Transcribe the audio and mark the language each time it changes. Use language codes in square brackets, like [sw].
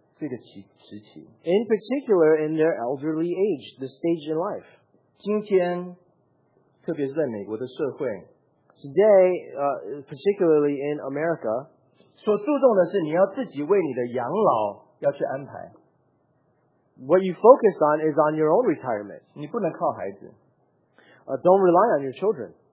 [en] In particular, in their elderly age, the stage in life. [zh] 今天, 特别是在美国的社会, [en] today, particularly in America, [zh] 所注重的是你要自己为你的养老要去安排。 [en] What you focus on is on your own retirement. [zh] 你不能靠孩子。 [en] Don't rely on your children.